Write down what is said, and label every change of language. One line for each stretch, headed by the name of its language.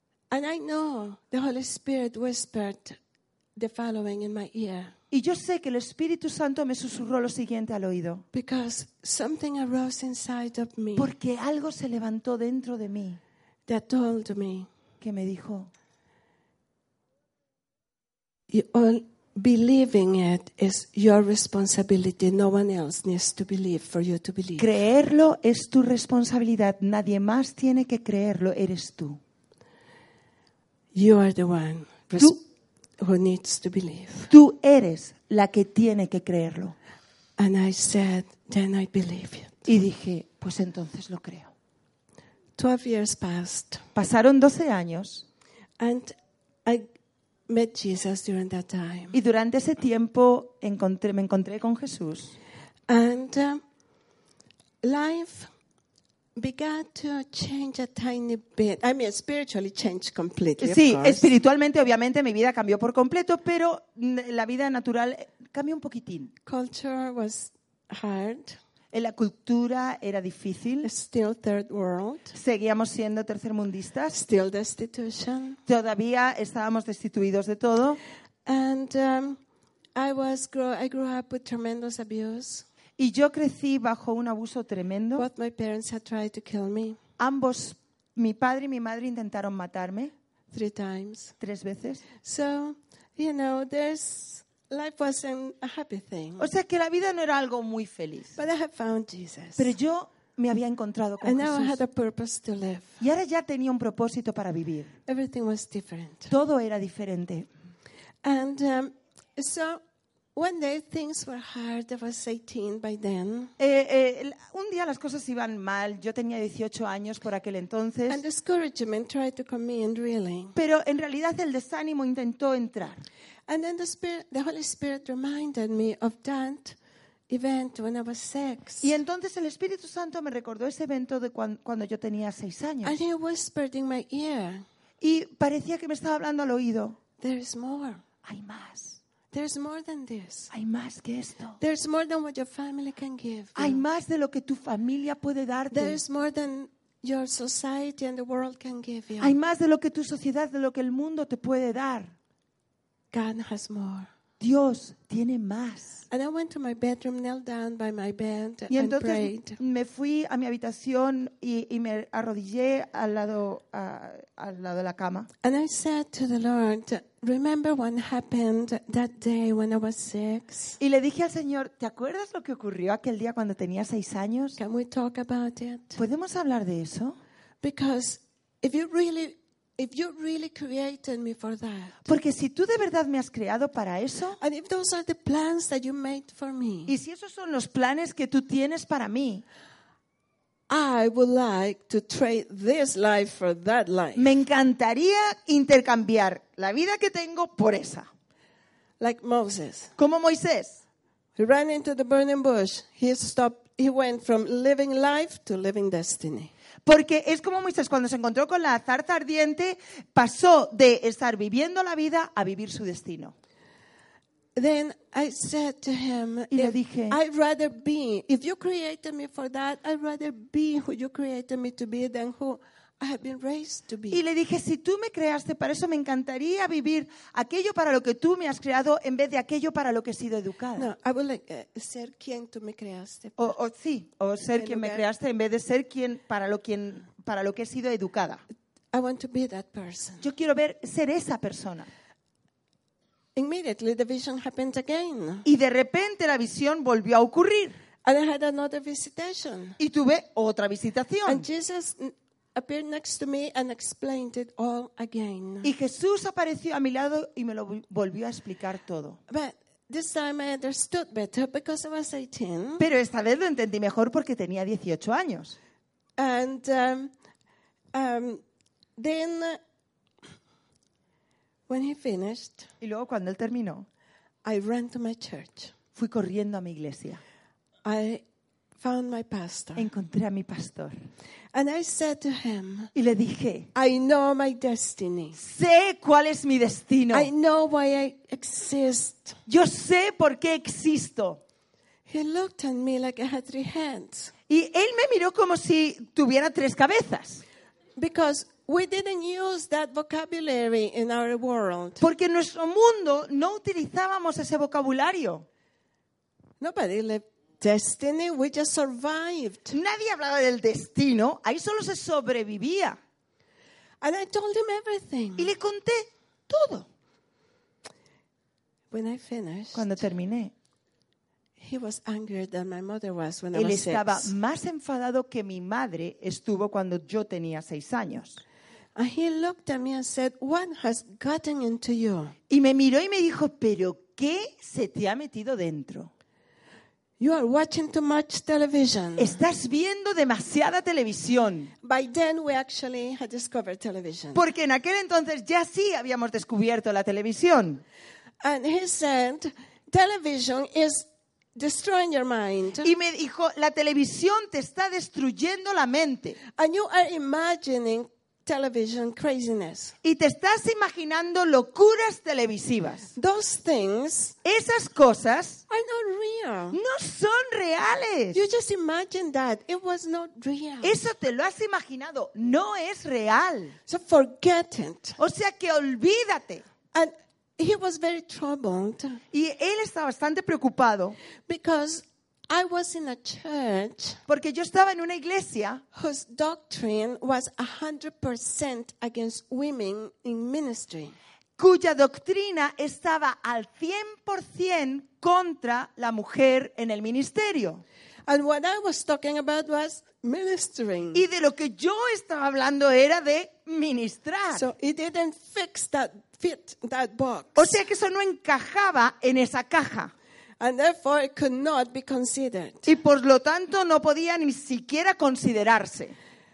English: And I know the Holy Spirit whispered the following in my ear.
Spanish: Y yo sé que el Espíritu Santo me susurró lo siguiente al oído.
English: Because something arose inside of me.
Spanish: Porque algo se levantó dentro de mí.
English: That told me.
Spanish: Que me dijo.
English: Believing it is your responsibility. No one else needs to believe for you to believe.
Spanish: Creerlo es tu responsabilidad. Nadie más tiene que creerlo. Eres tú.
English: You are the one. Who needs to believe?
Spanish: Tú eres la que tiene que creerlo.
English: And I said, then I believe it.
Spanish: Y dije, pues entonces lo creo.
English: 12 years passed.
Spanish: Pasaron 12 años.
English: And I met Jesus during that time.
Spanish: Y durante ese tiempo me encontré con Jesús.
English: And life began to change a tiny bit. I mean, spiritually changed completely.
Spanish: Sí, espiritualmente, obviamente, mi vida cambió por completo, pero la vida natural cambió un poquitín.
English: Culture was hard.
Spanish: La cultura era difícil.
English: Still third world.
Spanish: Seguíamos siendo tercermundistas.
English: Still destitution.
Spanish: Todavía estábamos destituidos de todo.
English: And I grew up with tremendous abuse.
Spanish: Y yo crecí bajo un abuso tremendo.
English: Both my parents had tried to kill me.
Spanish: Ambos, mi padre y mi madre, intentaron matarme.
English: 3 times.
Spanish: 3 veces.
English: So, you know, life wasn't a happy thing.
Spanish: O sea que la vida no era algo muy feliz.
English: But I had found Jesus.
Spanish: Pero yo me había encontrado con
English: And
Spanish: Jesús.
English: Now I had a purpose to live.
Spanish: Y ahora ya tenía un propósito para vivir.
English: Everything was different.
Spanish: Todo era diferente.
English: And one day things were hard. I was 18 by then.
Spanish: Un día las cosas iban mal. Yo tenía 18 años por aquel entonces.
English: And discouragement tried to come in, really.
Spanish: Pero en realidad el desánimo intentó entrar.
English: And then the Holy Spirit reminded me of that event when I was 6.
Spanish: Y entonces el Espíritu Santo me recordó ese evento de cuando yo tenía 6 años.
English: And he whispered in my ear.
Spanish: Y parecía que me estaba hablando al oído.
English: There is more.
Spanish: Hay más.
English: There's more than this.
Spanish: Hay más que esto.
English: There's more than what your family can give.
Spanish: Hay más de lo que tu familia puede darte.
English: There's more than your society and the world can give you.
Spanish: Hay más de lo que tu sociedad, de lo que el mundo te puede dar.
English: God has more.
Spanish: Dios tiene más.
English: And I went to my bedroom, knelt down by my bed,
Spanish: y entonces
English: and prayed.
Spanish: Me fui a mi habitación y me arrodillé al lado de la cama.
English: And I said to the Lord, remember what happened that day when I was 6?
Spanish: Y le dije al Señor, ¿te acuerdas lo que ocurrió aquel día cuando tenía 6 años?
English: Can we talk about it?
Spanish: ¿Podemos hablar de eso?
English: Because if you really created me for that.
Spanish: Porque si tú de verdad me has creado para eso.
English: And if those are the plans that you made for me.
Spanish: Y si esos son los planes que tú tienes para mí.
English: I would like to trade this life for that life.
Spanish: Me encantaría intercambiar la vida que tengo por esa.
English: Like Moses.
Spanish: Como Moisés.
English: He ran into the burning bush. He went from living life to living destiny.
Spanish: Porque es como Moisés, cuando se encontró con la zarza ardiente, pasó de estar viviendo la vida a vivir su destino.
English: Then I said to him, I'd rather be, if you created me for that, I'd rather be who you created me to be than who I have been raised to be.
Spanish: Y le dije, si tú me creaste para eso, me encantaría vivir aquello para lo que tú me has creado en vez de aquello para lo que he sido educada.
English: No, I would like
Spanish: ser quien tú me creaste. Me creaste en vez de ser quien para lo que he sido educada.
English: I want to be that person.
Spanish: Yo quiero ser esa persona.
English: Immediately the vision happened again.
Spanish: Y de repente la visión volvió a ocurrir.
English: And I had another visitation.
Spanish: Y tuve otra visitación.
English: And Jesus appeared next to me and explained it all again.
Spanish: Y Jesús apareció a mi lado y me lo volvió a explicar todo.
English: But this time I understood better because I was 18.
Spanish: Pero esta vez lo entendí mejor porque tenía 18 años.
English: And then when he finished,
Spanish: y luego cuando él terminó,
English: I ran to my church.
Spanish: Fui corriendo a mi iglesia.
English: I found my pastor.
Spanish: Encontré a mi pastor.
English: And I said to him,
Spanish: y le dije,
English: I know my destiny.
Spanish: Sé cuál es mi destino.
English: I know why I exist.
Spanish: Yo sé por qué existo.
English: He looked at me like I had three hands.
Spanish: Y él me miró como si tuviera tres cabezas.
English: Because we didn't use that vocabulary in our world.
Spanish: Porque en nuestro mundo no utilizábamos ese vocabulario.
English: Nobody lived destiny, we just survived.
Spanish: Nadie hablaba del destino, ahí solo se sobrevivía.
English: And I told him everything.
Spanish: Y le conté todo.
English: When I finished,
Spanish: cuando terminé,
English: he was angrier than my mother was when
Spanish: él estaba más enfadado que mi madre estuvo cuando yo tenía 6 años.
English: And he looked at me and said, "What has gotten into you?"
Spanish: Y me miró y me dijo, "¿Pero qué se te ha metido dentro?"
English: You are watching too much television.
Spanish: Estás viendo demasiada televisión.
English: By then we actually had discovered television.
Spanish: Porque en aquel entonces ya sí habíamos descubierto la televisión.
English: And he said, "Television is destroying your mind."
Spanish: Y me dijo, "La televisión te está destruyendo la mente."
English: And you are imagining television craziness.
Spanish: Y te estás imaginando locuras televisivas.
English: Those things,
Spanish: esas cosas,
English: are not real.
Spanish: No son reales.
English: You just imagined that. It was not real.
Spanish: Eso te lo has imaginado. No es real.
English: So forget it.
Spanish: O sea que olvídate.
English: And he was very troubled.
Spanish: Y él estaba bastante preocupado.
English: Because I was in a church.
Spanish: Porque yo estaba en una iglesia
English: whose doctrine was 100% against women in ministry.
Spanish: Cuya doctrina estaba al 100% contra la mujer en el ministerio.
English: And what I was talking about was ministering.
Spanish: Y de lo que yo estaba hablando era de ministrar.
English: So it didn't fit that box.
Spanish: O sea que eso no encajaba en esa caja.
English: And therefore it could not be considered.
Spanish: Y por lo tanto no podía ni siquiera considerarse.